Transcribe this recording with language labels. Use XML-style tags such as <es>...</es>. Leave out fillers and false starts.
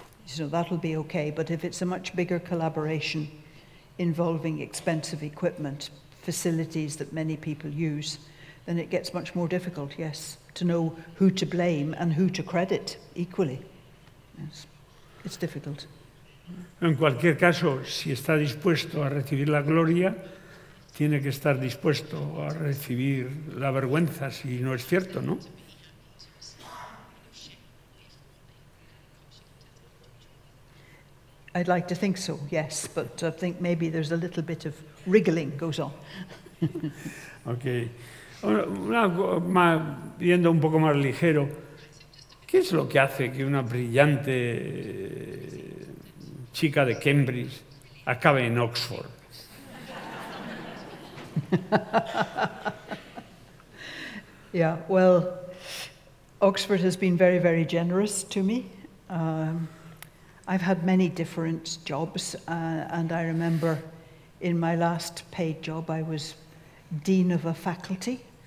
<en>So that'll be okay. But if it's a much bigger collaboration involving expensive equipment, facilities that many people use, then it gets much more difficult, yes, to know who to blame and who to credit equally. Yes. It's difficult.</en> <es>En cualquier caso, si está dispuesto a recibir la gloria, tiene que estar dispuesto a recibir la vergüenza, si no es cierto, ¿no?</es> <en>I'd like to think so, yes, but I think maybe there's a little bit of wriggling goes on. Okay.</en> <es>Yendo un poco más ligero, ¿qué es lo que hace que una brillante chica de Cambridge acabe en Oxford?</es> <en>Yeah, well, Oxford has been very, very generous to me. I've had many different jobs, and I remember in my last paid job I was dean of a faculty.</en>